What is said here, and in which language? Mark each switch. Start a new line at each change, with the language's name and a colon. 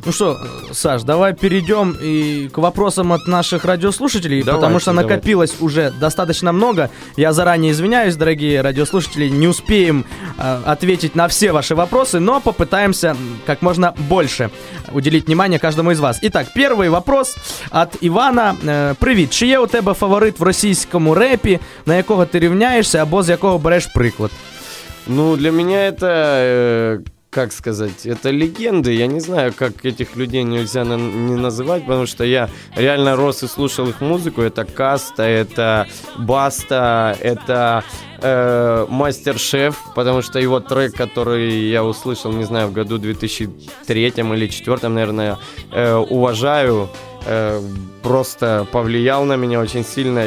Russian: Ну что, Саш, давай перейдем и к вопросам от наших радиослушателей, давайте, потому что накопилось давайте. Уже достаточно много. Я заранее извиняюсь, дорогие радиослушатели, не успеем ответить на все ваши вопросы, но попытаемся как можно больше уделить внимание каждому из вас. Итак, первый вопрос от Ивана.
Ukrainian: Привіт, чи є у тебе фаворит в російському репі, на якого ти рівняєшся або з якого береш приклад?
Russian: Ну, для меня это... как сказать, это легенды. Я не знаю, как этих людей нельзя не называть, потому что я реально рос и слушал их музыку. Это Каста, это Баста, это Мастер-шеф, потому что его трек, который я услышал, не знаю, в году 2003 или 2004, наверное, уважаю, просто повлиял на меня очень сильно.